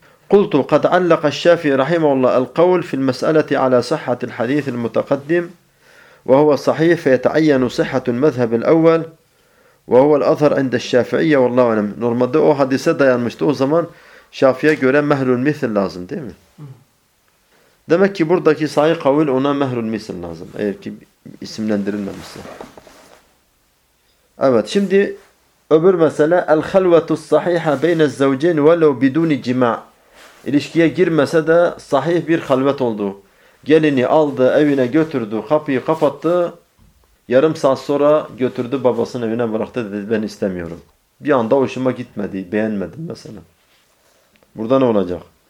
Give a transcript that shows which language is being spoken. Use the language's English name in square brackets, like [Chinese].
[Arabic] قُلْتُ قَدْ عَلَّقَ الشَّافِي رَحِمَهُ اللّٰهِ الْقَوْلِ فِي الْمَسْأَلَةِ عَلَى صَحَّةِ الْحَدِيثِ الْمُتَقَدِّمِ وَهُوَ الصَّحِيحِ فَيَتَعَيَّنُ صِحَّةُ الْمَذْهَبِ الْأَوَّلِ وهو الأظهر عند الشافعية والله أعلم. [Turkish] Normalde o hadise dayanmıştı. O zaman Şafi'ye göre mehrul misl lazım değil mi? Demek ki buradaki sahih kavil ona mehrul misl lazım. Eğer ki isimlendirilmemişse. Evet şimdi öbür mesele [Arabic] الخلوة الصحيحة بين الزوجين ولو بدون جماع. [Turkish] İlişkiye girmese de sahih bir halvet oldu. Gelini aldı, evine götürdü, kapıyı kapattı. Yarım saat sonra götürdü babasının evine bıraktı dedi ben istemiyorum. Bir anda hoşuma gitmedi, beğenmedim mesela. Burada ne olacak?